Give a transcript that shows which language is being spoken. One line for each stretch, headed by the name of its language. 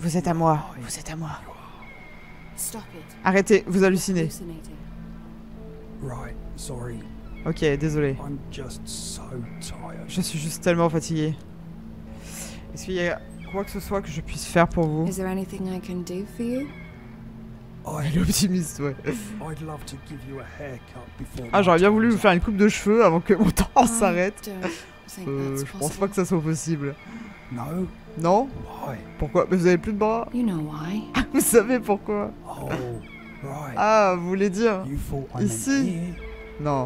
French: Vous êtes à moi. Vous êtes à moi.
English: Stop it.
French: Arrêtez, vous hallucinez.
English: Right, sorry.
French: Ok, désolé.
English: I'm just so tired.
French: Je suis juste tellement fatigué. Est-ce qu'il y a quoi que ce soit que je puisse faire pour vous?
English: Is there anything I can do for you?
French: Elle est optimiste, ouais.
English: I'd love to give you a haircut before.
French: Ah, j'aurais bien voulu vous faire une coupe de cheveux avant que mon temps s'arrête. Je pense pas que ça soit possible.
English: No.
French: Non?
English: Why?
French: Pourquoi? Mais vous avez plus de bras.
English: You know why.
French: Vous savez pourquoi?
English: Oh, right.
French: Ah, vous voulez dire?
English: You thought I'm
French: ici? Non.